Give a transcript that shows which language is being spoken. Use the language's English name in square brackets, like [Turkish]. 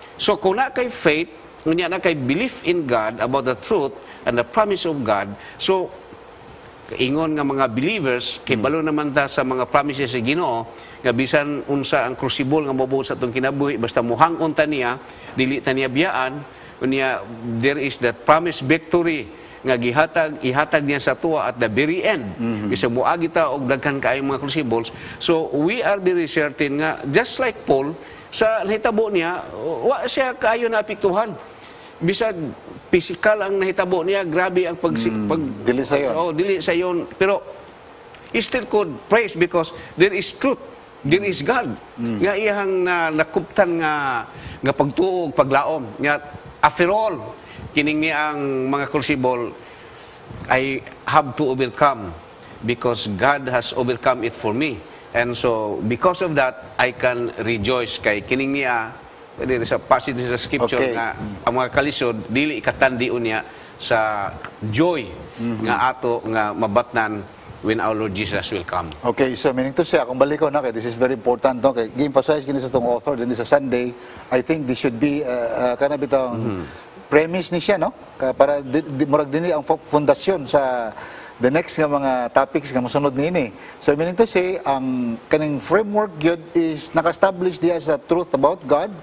[Cebuano] So kung na kay faith, unya na kay belief in God about the truth and the promise of God, so ingon nga mga believers kay balo naman ta sa mga promises sa Ginoo, nga bisan unsa ang crucible nga mabuhat sa tong kinabuhi, basta muhangon ta niya, dili ta niya biyaan, unya [English] there is that promise victory nga ihatag niya sa tuwa at the very end. [Cebuano] Bisa muagi ta og daghan kaayo mga crucibles, [English] so we are very certain [Cebuano] nga just like Paul, sa nahitabo niya, wa siya kaayo na apektuhan. Bisa physical ang nahitabo niya, grabe ang dili sa yon. Oh, dili sa yon. Pero [English] he still could praise because there is truth, there is God. [Cebuano] Nga iyang nakuptan nga pagtuo, paglaom. [English] Nga after all, [Cebuano] kining ni ang mga crucible, [English] I have to overcome because God has overcome it for me. And so, because of that, I can rejoice [Cebuano] kay kining niya. There is a passage sa scripture, okay, nga ang mga kalisod, dili ikatandi unya sa joy nga ato nga mabatnan [English] when our Lord Jesus will come. [Cebuano] Okay, so meaning to say, akong balik ko na, kay [English] this is very important. [Cebuano] Okay, gi-emphasize kini sa tong author, din sa Sunday, [English] I think this should be kind of [Cebuano] itong premise ni siya, no? Para murag din ang fundasyon sa the next nga mga topics nga musunod niini. So meaning to say, ang kaning framework yun is naka-establish diya sa truth about God.